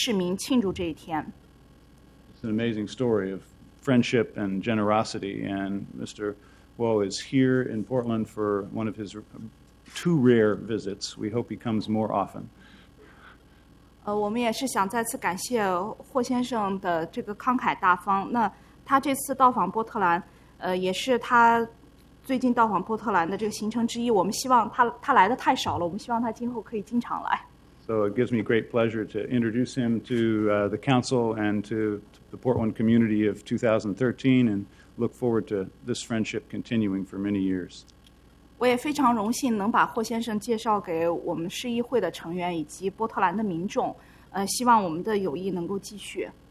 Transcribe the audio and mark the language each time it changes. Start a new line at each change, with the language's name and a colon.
Chinese: 宣布2013年6月26日为波特兰的霍宝柱日，我也鼓励全体市民庆祝这一天。
English: It's an amazing story of friendship and generosity, and Mr. Huo is here in Portland for one of his two rare visits. We hope he comes more often.
Chinese: 我们也是想再次感谢霍先生的这个慷慨大方，那他这次到访波特兰，也是他 最近到访波特兰的这个行程之一，我们希望他来的太少了，我们希望他今后可以经常来。So
English: it gives me great pleasure to introduce him to the council and to the Portland community of 2013 and look forward to this friendship continuing for many years.
Chinese: 我也非常荣幸能把霍先生介绍给我们市议会的成员以及波特兰的民众，希望我们的友谢谢。